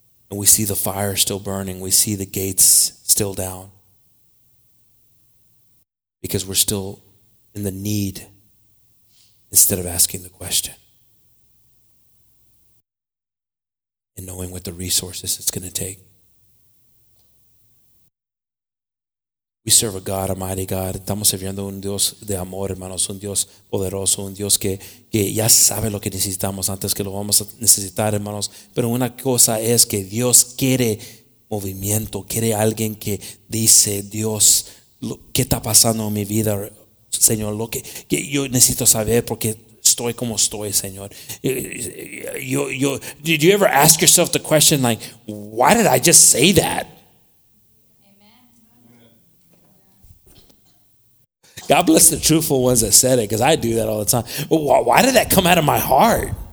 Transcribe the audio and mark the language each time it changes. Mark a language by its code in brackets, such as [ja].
[en] And we see the fire still burning. We see the gates still down. Because we're still in the need instead of asking the question and knowing what the resources it's going to take. We serve a God, a mighty God. [es] Estamos sirviendo un Dios de amor, hermanos, un Dios poderoso, un Dios que ya sabe lo que necesitamos antes que lo vamos a necesitar, hermanos. Pero una cosa es que Dios quiere movimiento, quiere alguien que dice, Dios, ¿qué está pasando en mi vida, Señor? Lo que yo necesito saber porque estoy como estoy, Señor. [en] Did you ever ask yourself the question, like, why did I just say that? Amen. God bless the truthful ones that said it, because I do that all the time. Why did that come out of my heart?